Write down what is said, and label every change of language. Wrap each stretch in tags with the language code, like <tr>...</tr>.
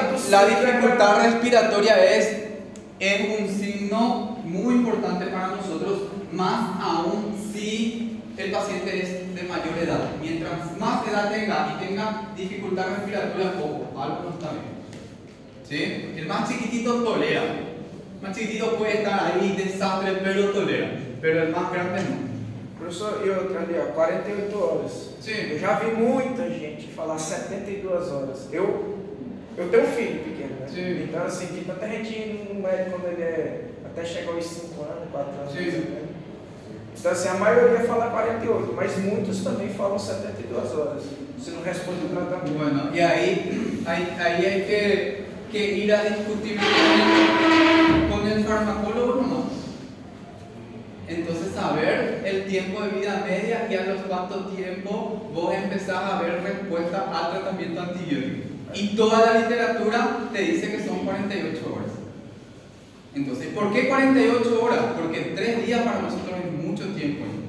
<es>La dificultad respiratoria es un signo muy importante para nosotros, más aún si el paciente es de mayor edad. Mientras más edad tenga y tenga dificultad respiratoria, poco, algo no está bien. ¿Sí? El más chiquitito tolera. El más chiquitito puede estar ahí, desastre, pero tolera. Pero el más grande no.</es> <pt>Professor, eu entendi, 48 horas. Sim. Eu já vi muita gente falar 72 horas. Eu tenho um filho pequeno, né? Sim. Então, assim, tipo, até a gente ir no médico quando ele é. Até chegar aos 5 anos, 4 anos. Sim. Né? Então, assim, a maioria fala 48, mas muitos também falam 72 horas. Se não responde o tratamento.</pt> <es>Bueno,</es> <pt>e aí é que ir a discutir com o farmacólogo ou não?</pt> <es>Entonces, saber el tiempo de vida media y a los cuánto tiempo vos empezás a ver respuesta al tratamiento antibiótico. Y toda la literatura te dice que son 48 horas. Entonces, ¿por qué 48 horas? Porque 3 días para nosotros es mucho tiempo.</es>